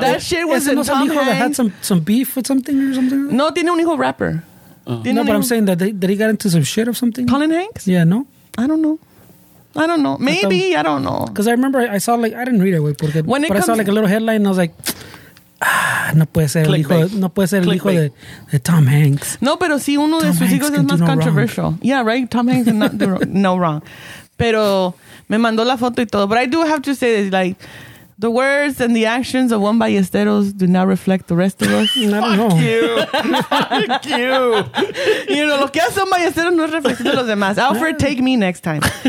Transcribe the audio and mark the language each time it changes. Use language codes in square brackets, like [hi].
[en] that shit was in Tom Hanks. That had some beef with something or something? [es] No, tiene un hijo rapper. [en] No, but I'm saying that he got into some shit or something. Colin Hanks? Yeah, no? I don't know. Maybe, I don't know. Because I remember I saw I didn't read it. I saw a little headline and I was like... [es] No puede ser el hijo de Tom Hanks. No, pero sí, uno Tom de sus Hanks hijos es más controversial. [en] Wrong. Yeah, right? Tom Hanks is not no wrong. [es] Pero me mandó la foto y todo. [en] But I do have to say this, like, the words and the actions of Juan Ballesteros do not reflect the rest of us. Fuck you. Fuck you. You know, [es] lo que hace un Ballesteros no es reflexión de los demás. Alfred, [en] take me next time.